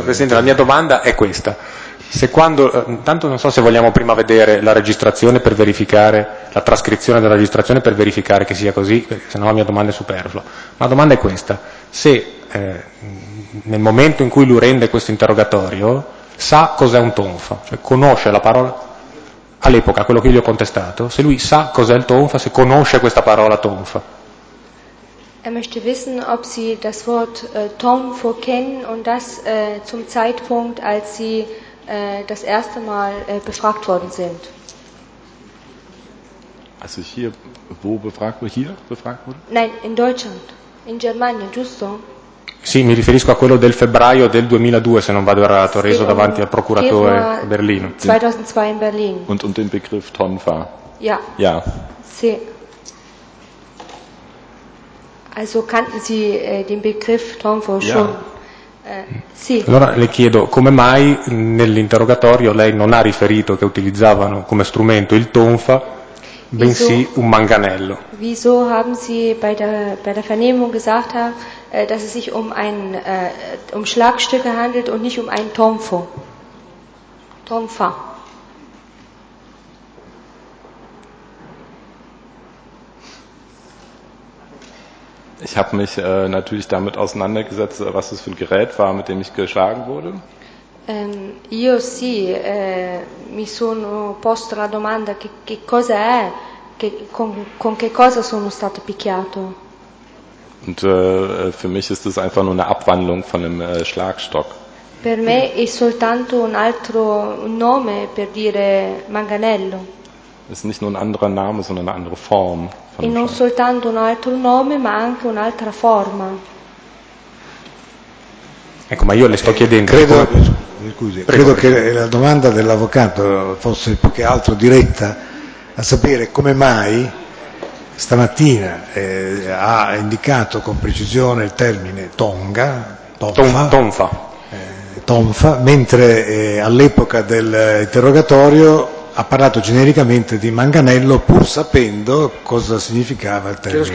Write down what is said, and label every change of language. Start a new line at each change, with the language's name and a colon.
Italian: Presidente, la mia domanda è questa. Se quando... Tanto non so se vogliamo prima vedere la registrazione per verificare, la trascrizione della registrazione per verificare che sia così, perché sennò la mia domanda è superflua. Ma la domanda è questa. Se nel momento in cui lui rende questo interrogatorio sa cos'è un tonfa, cioè conosce la parola, all'epoca, quello che io gli ho contestato, se lui sa cos'è il tonfa, se conosce questa parola tonfa.
German: Er möchte wissen, ob sie das Wort tonfo kennen und das zum Zeitpunkt, als sie das erste Mal befragt worden sind. Also hier, wo befragt wurde? Hier befragt wurde? Nein, in Deutschland.
Italian: In Germania, giusto? Sì, mi riferisco a quello del febbraio del 2002, se non vado errato, reso davanti al procuratore a Berlino. 2002 in Berlino.
German: Und um den Begriff Tonfa. Ja. Ja.
Italian: Sì.
German: Also kannten Sie den Begriff Tonfa schon?
Italian: Sì. Allora le chiedo, come mai nell'interrogatorio lei non ha riferito che utilizzavano come strumento il tonfa, bensì un manganello?
German: Wieso haben Sie bei der Vernehmung gesagt, dass es sich um Schlagstücke handelt und nicht um ein Tonfo? Tonfa. Ich habe mich natürlich damit auseinandergesetzt, was es für ein Gerät war, mit dem ich geschlagen wurde.
Italian: Io sì, mi sono posto la domanda che cosa è, con che cosa sono stato picchiato.
German: Und für mich ist es einfach nur eine Abwandlung von einem Schlagstock.
Italian: Per me è soltanto un altro nome per dire manganello.
German: Es ist nicht nur ein anderer Name, sondern eine andere Form.
Italian: E non soltanto un altro nome, ma anche un'altra forma. Ecco, ma io le sto chiedendo. Credo che la domanda dell'avvocato fosse più che altro diretta a sapere come mai stamattina ha indicato con precisione il termine tonfa, mentre all'epoca dell'interrogatorio ha parlato genericamente di manganello, pur sapendo cosa significava il termine.